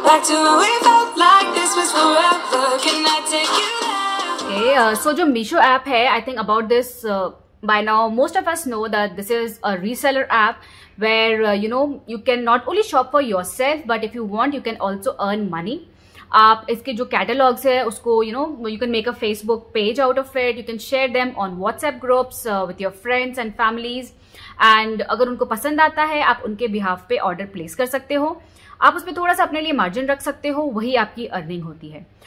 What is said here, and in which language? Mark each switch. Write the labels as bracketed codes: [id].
[hi] सो जो मीशो ऐप है [en] I think about this by now most of us know that this is a reseller app where you know you can not only shop for yourself but if you want you can also earn money. [hi] आप इसके जो catalogues है उसको [en] you know you can make a Facebook page out of it, you can share them on WhatsApp groups with your friends and families, and [hi] अगर उनको पसंद आता है आप उनके बिहाफ पे ऑर्डर प्लेस कर सकते हो. आप उसमें थोड़ा सा अपने लिए मार्जिन रख सकते हो, वही आपकी अर्निंग होती है.